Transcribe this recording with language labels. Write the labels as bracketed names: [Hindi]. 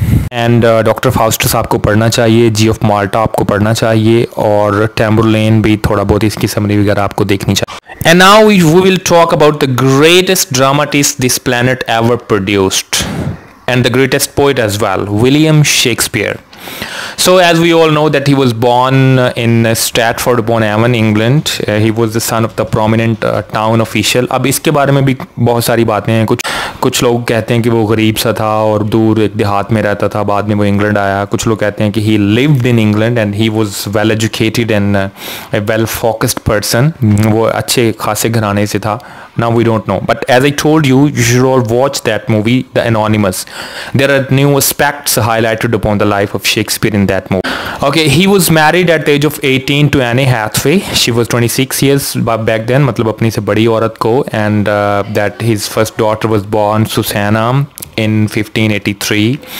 [Urdu] And doctor فاسٹس آپ کو پڑھنا چاہیے جی آف مالٹا آپ کو پڑھنا چاہیے اور ٹیمبرلین بھی تھوڑا بہت اس کی سمری وغیرہ آپ کو دیکھنی چاہیے [English] And now we will talk about the greatest dramatist this planet ever produced and the greatest poet as well, William Shakespeare. So as we all know that he was born in Stratford-upon-Avon, England. He was the son of the prominent town official. [Urdu] اب اس کے بارے میں بھی بہت ساری باتیں ہیں. کچھ لوگ کہتے ہیں کہ وہ غریب سا تھا اور دور ایک دیہات میں رہتا تھا, بعد میں وہ انگلینڈ آیا. کچھ لوگ کہتے ہیں کہ [English] He lived in England and he was well educated and a well focused person. [Urdu] وہ اچھے خاصے گھرانے سے تھا. [English] Now we don't know, but as I told you, you should all watch that movie, The Anonymous. There are new aspects highlighted upon the life of Shakespeare in that movie. Okay, he was married at the age of 18 to Anne Hathaway. She was 26 years back then, [Urdu] matlab apni se badi aurat ko, [English] and that his first daughter was born Susanna in 1583.